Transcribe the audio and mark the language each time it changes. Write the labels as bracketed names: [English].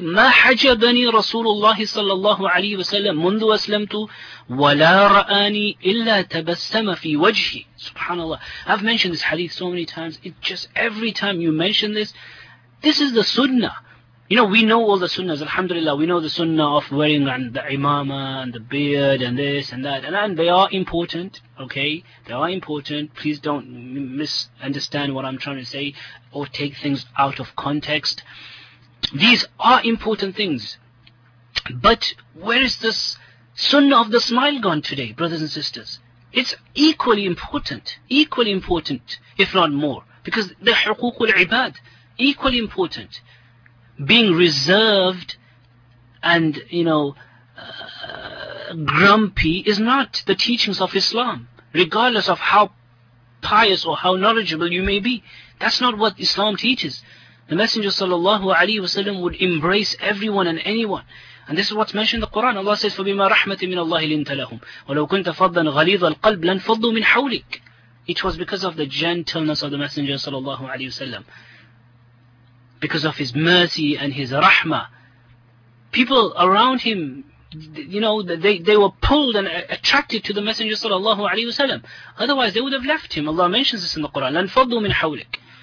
[Arabic] ما حجبني رسول الله صلى الله عليه وسلم منذ أسلمت ولا رآني إلا تبسم في وجهي. Subhanallah. [English] I've mentioned this hadith so many times. It just, every time you mention this, this is the sunnah. You know, we know all the sunnahs. Alhamdulillah, we know the sunnah of wearing the imama and the beard and this and that. And they are important, okay? They are important. Please don't misunderstand what I'm trying to say or take things out of context. These are important things, but where is this sunnah of the smile gone today, brothers and sisters? It's equally important, if not more, because the huququl ibad, equally important, being reserved and, you know, grumpy is not the teachings of Islam, regardless of how pious or how knowledgeable you may be. That's not what Islam teaches. The Messenger sallallahu alaihi wasallam would embrace everyone and anyone. And this is what's mentioned in the Quran. Allah says, [Arabic] فَبِمَا رَحْمَةٍ مِنَ اللَّهِ لِنْتَ لَهُمْ وَلَوْ كُنْتَ فَضًّا غَلِيظَ الْقَلْبِ لَنْفَضُّوا مِنْ حَوْلِكَ. [English] It was because of the gentleness of the Messenger sallallahu alaihi wasallam, because of his mercy and his rahmah. People around him, you know, they were pulled and attracted to the Messenger sallallahu alaihi wasallam. Otherwise, they would have left him. Allah mentions this in the Quran. [Arabic] لَنْفَضُّوا مِنْ حَوْلِكَ.